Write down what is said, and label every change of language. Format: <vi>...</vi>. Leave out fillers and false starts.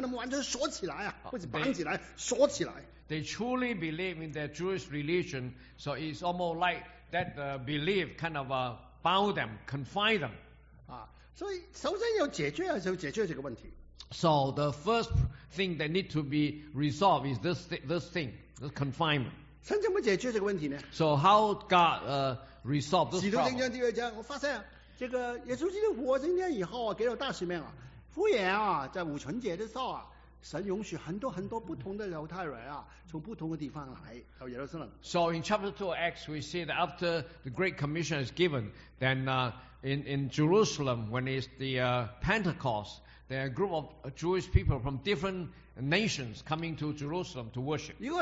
<zh>他很相信犹太教这个文化这个传统啊，他这些捆绑呀，将他们完全锁起来啊，或者绑起来，锁起来。</zh> <en>They truly believe in their Jewish religion, so it's almost like that belief kind of bound them, confined them.</en> <zh>所以首先要解决这个问题。</zh> <en>So the first thing that need to be resolved is this thing, this confinement.</en> <zh>神怎么解决这个问题呢?</zh> <en>So how God resolved this problem?</en> <zh>使徒行传第二章，我发现啊，这个耶稣基督复活今天以后啊，给了大使命啊，复原啊，在五旬节的时候啊，神允许很多很多不同的犹太人啊，从不同的地方来到耶路撒冷。</zh> <en>So in chapter 2 of Acts, we see that after the Great Commission is given, then In Jerusalem, when it's the Pentecost, there are a group of Jewish people from different nations coming to Jerusalem to worship.</en>